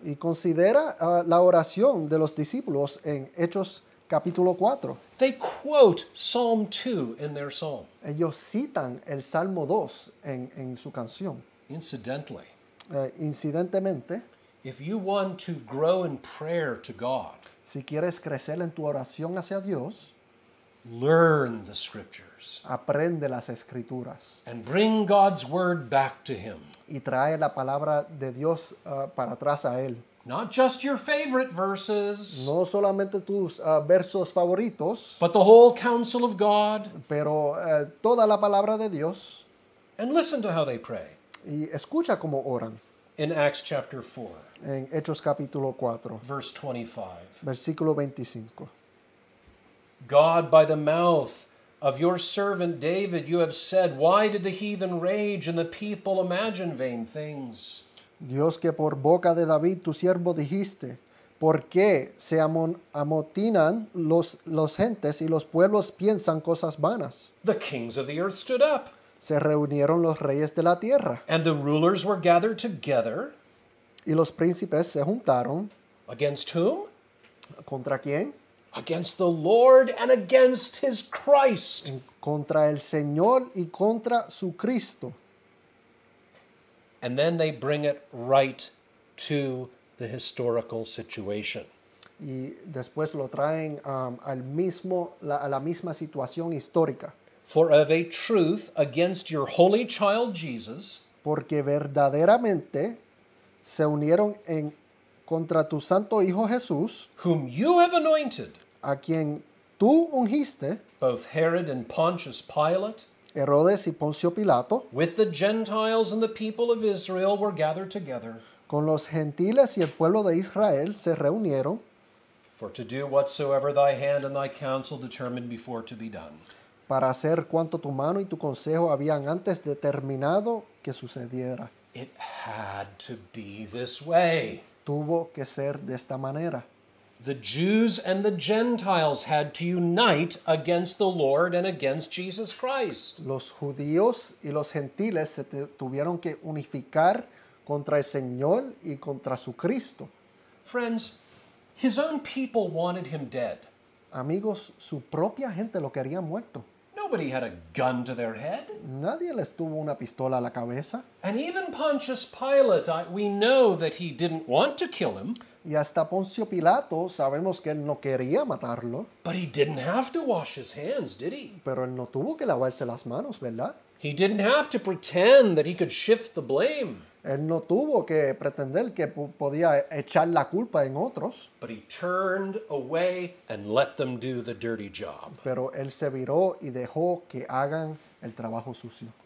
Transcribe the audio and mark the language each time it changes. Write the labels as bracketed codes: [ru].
[es] Y considera la oración de los discípulos en Hechos capítulo 4. [en] They quote Psalm 2 in their psalm. [es] Ellos citan el Salmo 2 en su canción. [en] Incidentally, [es] incidentemente, [en] if you want to grow in prayer to God, [es] si quieres crecer en tu oración hacia Dios, [en] learn the scriptures. [es] Aprende las escrituras. [en] And bring God's word back to him. [es] Y trae la palabra de Dios para atrás a él. [en] Not just your favorite verses. [es] No solamente tus versos favoritos. [en] But the whole counsel of God. [es] Pero toda la palabra de Dios. [en] And listen to how they pray. [es] Y escucha cómo oran. [en] In Acts chapter 4. [es] En Hechos capítulo 4. [en] Verse 25. [es] Versículo 25. [en] God, by the mouth of your servant David, you have said, why did the heathen rage and the people imagine vain things? [es] Dios, que por boca de David, tu siervo, dijiste, ¿por qué se amotinan los gentes y los pueblos piensan cosas vanas? [en] The kings of the earth stood up. [es] Se reunieron los reyes de la tierra. [en] And the rulers were gathered together. [es] Y los príncipes se juntaron. [en] Against whom? [es] ¿Contra quién? [en] against the Lord and against his Christ. [es] Contra el Señor y contra su Cristo. [en] And then they bring it right to the historical situation. [es] Y después lo traen al mismo, a la misma situación histórica. [en] For of a truth, against your holy child Jesus. [es] Porque verdaderamente se unieron en contra tu santo hijo Jesús. [en] Whom you have anointed. [es] A quien tú ungiste. [en] Both Herod and Pontius Pilate. [es] Herodes y Poncio Pilato. [en] With the Gentiles and the people of Israel were gathered together. [es] Con los gentiles y el pueblo de Israel se reunieron. [en] For to do whatsoever thy hand and thy counsel determined before to be done. [es] Para hacer cuanto tu mano y tu consejo habían antes determinado que sucediera. [en] It had to be this way. [es] Tuvo que ser de esta manera. [en] The Jews and the Gentiles had to unite against the Lord and against Jesus Christ. [es] Los judíos y los gentiles se tuvieron que unificar contra el Señor y contra su Cristo. [en] Friends, his own people wanted him dead. [es] Amigos, su propia gente lo quería muerto. [en] Nobody had a gun to their head. [es] Nadie les tuvo una pistola a la cabeza. [en] And even Pontius Pilate, we know that he didn't want to kill him. [es] Y hasta Poncio Pilato, sabemos que él no quería matarlo. [en] But he didn't have to wash his hands, did he? [es] Pero él no tuvo que lavarse las manos, ¿verdad? [en] He didn't have to pretend that he could shift the blame. [es] Él no tuvo que pretender que podía echar la culpa en otros. [en] But he turned away and let them do the dirty job. [es] Pero él se viró y dejó que hagan el trabajo sucio.